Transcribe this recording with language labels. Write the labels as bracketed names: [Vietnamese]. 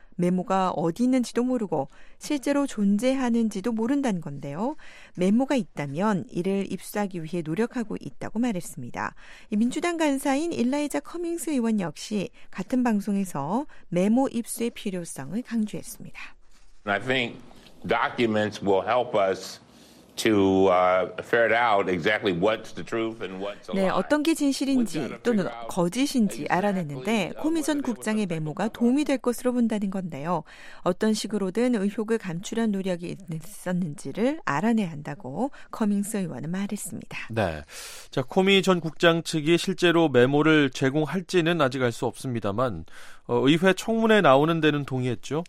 [Korean] 메모가 어디 있는지도 모르고 실제로 존재하는지도 모른다는 건데요. 메모가 있다면 이를 입수하기 위해 노력하고 있다고 말했습니다. 민주당 간사인 일라이자 커밍스 의원 역시 같은 방송에서 메모 입수의 필요성을 강조했습니다. [English] I think documents will help us to ferret out exactly what's the truth and what's a lie. [Korean] 네, 어떤 게 진실인지 또는 거짓인지 알아내는데 코미 전 국장의 메모가 도움이 될 것으로 본다는 건데요. 어떤 식으로든 의혹을 감추려는 노력이 있었는지를 알아내야 한다고 커밍스 의원은 말했습니다. 네. 자, 코미 전 국장 측이 실제로 메모를 제공할지는 아직 알 수 없습니다만 의회 청문회 나오는 데는 동의했죠?